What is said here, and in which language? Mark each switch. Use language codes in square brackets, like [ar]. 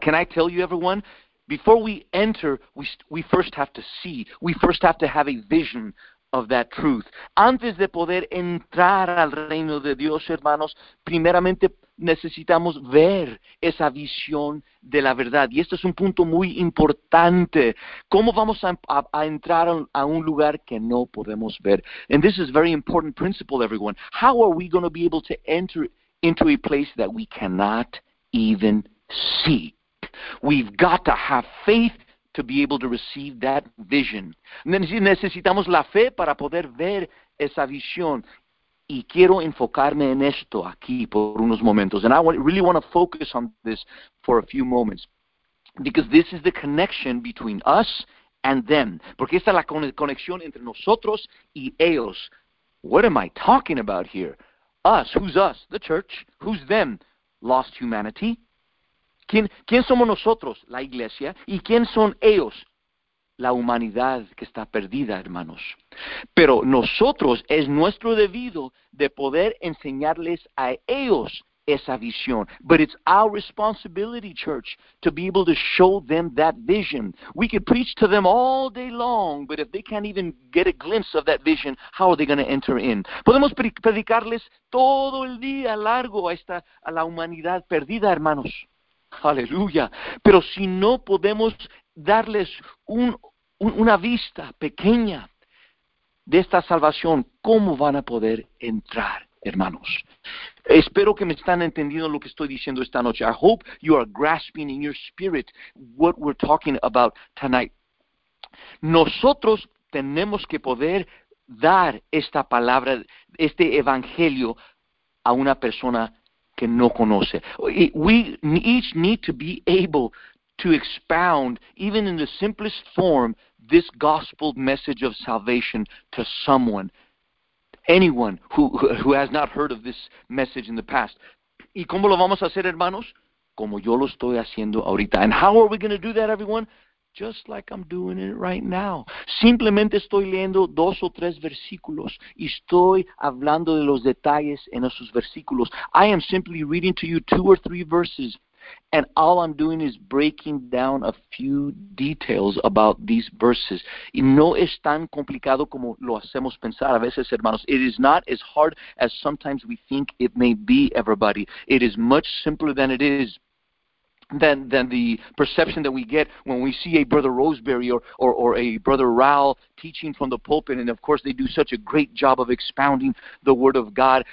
[en] Can I tell you, everyone, before we enter, we first have to see. We first have to have a vision of that truth. [es] Antes de poder entrar al reino de Dios, hermanos, primeramente necesitamos ver esa visión de la verdad. Y este es un punto muy importante. ¿Cómo vamos a entrar a un lugar que no podemos ver? [en] And this is a very important principle, everyone. How are we going to be able to enter into a place that we cannot even see? We've got to have faith to be able to receive that vision. [es] Necesitamos la fe para poder ver esa visión. Y quiero enfocarme en esto aquí por unos momentos. [en] And I really want to focus on this for a few moments. Because this is the connection between us and them. [es] Porque esta es la conexión entre nosotros y ellos. [en] What am I talking about here? Us. Who's us? The church. Who's them? Lost humanity. [es] ¿Quién somos nosotros? La iglesia. ¿Y quién son ellos? La humanidad que está perdida, hermanos. Pero nosotros es nuestro debido de poder enseñarles a ellos esa visión. [en] But it's our responsibility, church, to be able to show them that vision. We could preach to them all day long, but if they can't even get a glimpse of that vision, how are they going to enter in? [es] Podemos predicarles todo el día largo a la humanidad perdida, hermanos. Aleluya. Pero si no podemos darles una vista pequeña de esta salvación, ¿cómo van a poder entrar, hermanos? Espero que me están entendiendo lo que estoy diciendo esta noche. [en] I hope you are grasping in your spirit what we're talking about tonight. [es] Nosotros tenemos que poder dar esta palabra, este evangelio, a una persona que no conoce. [en] We each need to be able to expound, even in the simplest form, this gospel message of salvation to someone, anyone who has not heard of this message in the past. [es] ¿Y cómo lo vamos a hacer, hermanos? Como yo lo estoy haciendo ahorita. [en] And how are we going to do that, everyone? Just like I'm doing it right now. [es] Simplemente estoy leyendo dos o tres versículos y estoy hablando de los detalles en esos versículos. [en] I am simply reading to you two or three verses And all I'm doing is breaking down a few details about these verses. [es] Y no es tan complicado como lo hacemos pensar a veces, hermanos. [en] It is not as hard as sometimes we think it may be, everybody. It is much simpler than it is. Than the perception that we get when we see a Brother Roseberry or a Brother Raul teaching from the pulpit, and of course they do such a great job of expounding the Word of God.